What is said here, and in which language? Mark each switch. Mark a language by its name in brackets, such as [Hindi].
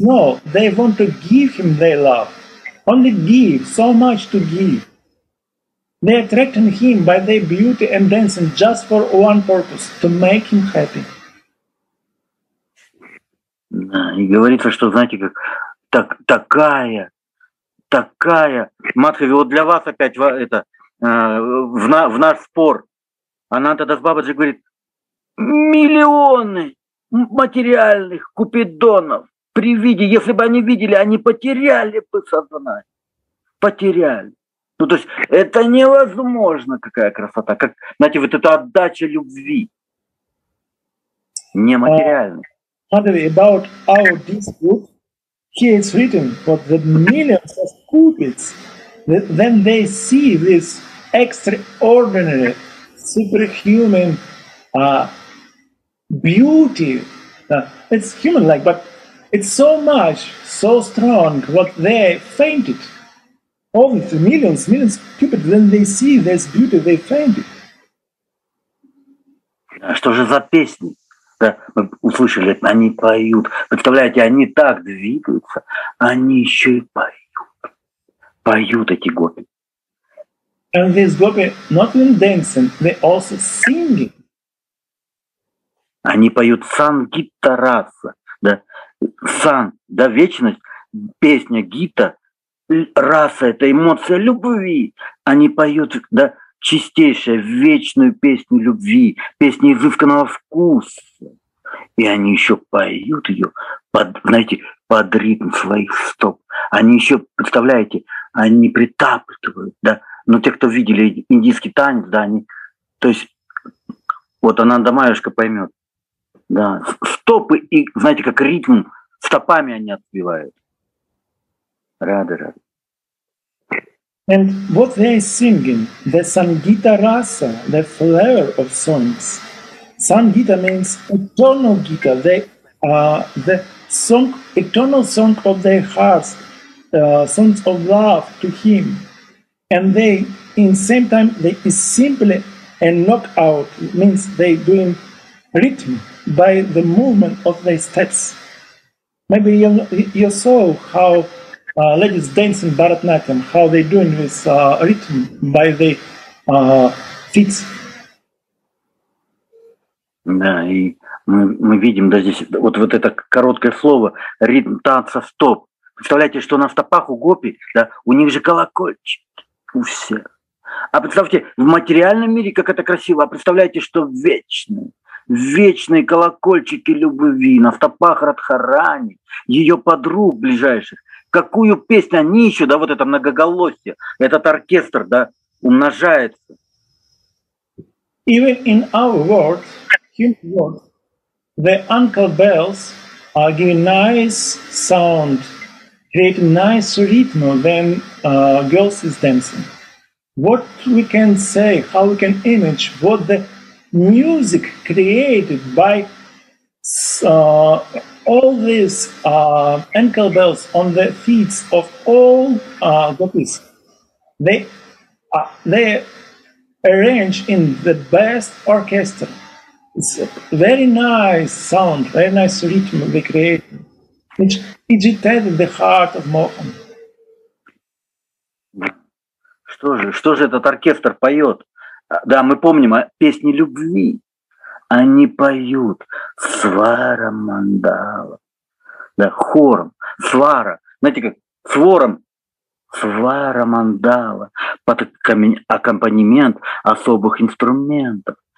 [English] No, they want to give him their love. Only give, so much to give. They attract him by their beauty and dancing just for one purpose, to make him happy. [Russian] Да, и говорится, что, знаете, как так, такая, Мадхави, вот для вас опять это, в наш спор. Ананта Бабаджи говорит, миллионы материальных купидонов при виде, если бы они видели, они потеряли бы сознание, потеряли. Ну, то есть это невозможно, какая красота, как, знаете, вот эта отдача любви, нематериальных. [English] About our dispute, here it's written, but the millions of cupids, then they see this extraordinary, superhuman beauty. It's human-like, but it's so much, so strong, what they fainted. All the millions of cupids, then they see this beauty, they fainted. [Russian] Что же за песни? Да, мы услышали, они поют. Представляете, они так двигаются, они еще и поют. Поют эти гопи. [English] And these gopi not only dancing, they also singing. [Russian] Они поют сангитта раса. Да? Сан, да, вечность, песня гитта, раса — это эмоция любви. Они поют, да, чистейшая, вечную песню любви, песню изысканного вкуса. И они еще поют ее под, знаете, под ритм своих стоп. Они еще, представляете, они притапливают, да. Но те, кто видели индийский танец, да, они, то есть, вот Ананда Майюшка поймет, да, стопы, и, знаете, как ритм, стопами они отбивают. Рады. [English] And what they are singing, the Sangita Rasa, the flower of songs. Sangita means eternal Gita, the song, eternal song of their hearts, songs of love to him. And they, in same time, they is simply a knockout, means they doing rhythm by the movement of their steps. Maybe you saw how ladies dancing Bharatanatyam, how they doing this rhythm by the feet. [Russian] Да, и мы видим, да, здесь вот это короткое слово, ритм танца стоп. Представляете, что на стопах у гопи, да, у них же колокольчик у всех. А представьте, в материальном мире как это красиво, а представляете, что вечные колокольчики любви на стопах Радхарани, ее подруг ближайших. Какую песню они еще, да, вот это многоголосие, этот оркестр, да, умножается. [English] Even in our world, human world, the uncle bells are giving nice sound, create nice rhythm when girls is dancing. What we can say, how we can image what the music created by all these ankle bells on the feet of all gopis, they arrange in the best orchestra. It's a very nice sound, very nice rhythm they create, which agitated the heart of Mohan. [Russian] Что же этот оркестр поет? Да, мы помним, песни любви. Они поют свара мандала, да, хором, свара, знаете, как с вором, свара мандала, под аккомпанемент особых инструментов.